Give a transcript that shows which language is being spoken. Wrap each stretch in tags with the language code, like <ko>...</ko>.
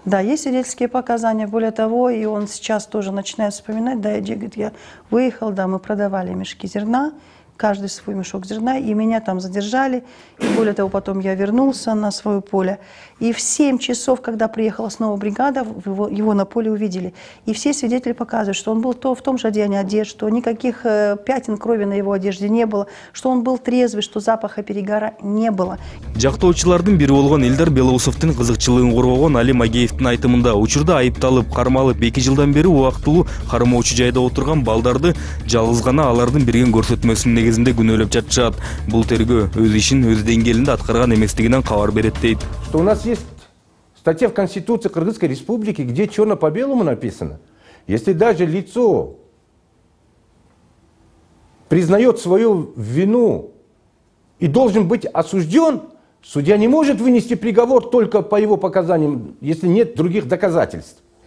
<ru>Да, есть свидетельские показания, более того, и он сейчас тоже начинает вспоминать, да, Эдди, говорит, я выехал, да, мы продавали мешки зерна, каждый свой мешок зерна, и меня там задержали, и более того, потом я вернулся на свое поле. И в 7 часов, когда приехала снова бригада, его на поле увидели. И все свидетели показывают, что он был то в том же одеянии одежды, что никаких пятен крови на его одежде не было, что он был трезвый, что запаха перегара не было.</ru> <ky>Жактоочулардын бири болгон Элдар Белоусовдун кызыкчылыгын коргогон Али Магеевдин айтымында учурда айыпталып, кармалып 2 жылдан бери убактылуу кармоочу жайда отурган балдарды жалгыз гана алардын берген көрсөтмөсүн негизинде күнөөлөп жатышат. Бул тергөө өз ишин өз деңгээлинде аткарган эместигинен кабар берет дейт.</ky> <ru>У нас есть статья в Конституции Кыргызской Республики, где черно по белому написано, если даже лицо признает свою вину и должен быть осужден, судья не может вынести приговор только по его показаниям, если нет других доказательств.</ru>